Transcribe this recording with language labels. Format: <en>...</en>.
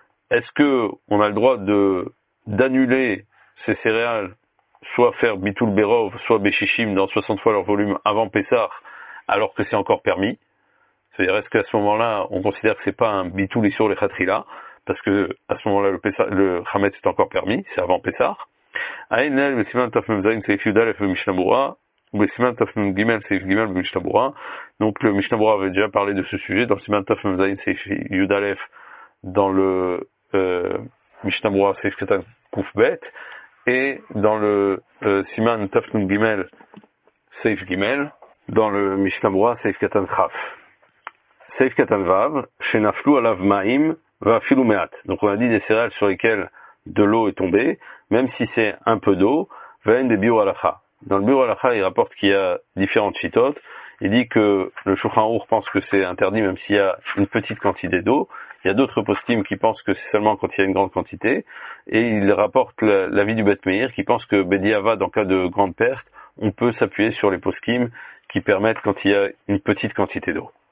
<fr>Est-ce que on a le droit d'annuler ces céréales, soit faire Bitul Berov, soit Beshishim dans 60 fois leur volume avant Pessah, alors que c'est encore permis? C'est-à-dire, est-ce qu'à ce moment-là, on considère que c'est pas un Bitul Issur Lechatrila? Parce que, à ce moment-là, le Hametz est encore permis, c'est avant Pessah.</fr> <he>עין נ' בסימן תמ"ז סעיף י"א במשנה ברורה, ובסימן תמ"ג סעיף ג' במשנה ברורה. נו, במשנה ברורה</he> <fr>avait déjà parlé de ce sujet dans</fr> <he>סימן תמ"ז סעיף י"א</he> <fr>dans le</fr> <he>משנה ברורה סעיף קטן קוף ב',</he> <fr>et dans le</fr> <he>סימן תמ"ג סעיף ג'</he> <fr>dans le</fr> <he>משנה ברורה סעיף קטן כ'. סעיף קטן ו', שנפלו עליו מים ואפילו מעט.</he> <fr>Donc on a dit des céréales sur lesquelles de l'eau est tombée, même si c'est un peu d'eau, vein de biur alacha. Dans le biur alacha, il rapporte qu'il y a différentes chitotes. Il dit que le Shulchan Aruch pense que c'est interdit même s'il y a une petite quantité d'eau. Il y a d'autres postim qui pensent que c'est seulement quand il y a une grande quantité. Et il rapporte l'avis du Beit Meir qui pense que bediava, dans cas de grande perte, on peut s'appuyer sur les postim qui permettent quand il y a une petite quantité d'eau.</fr>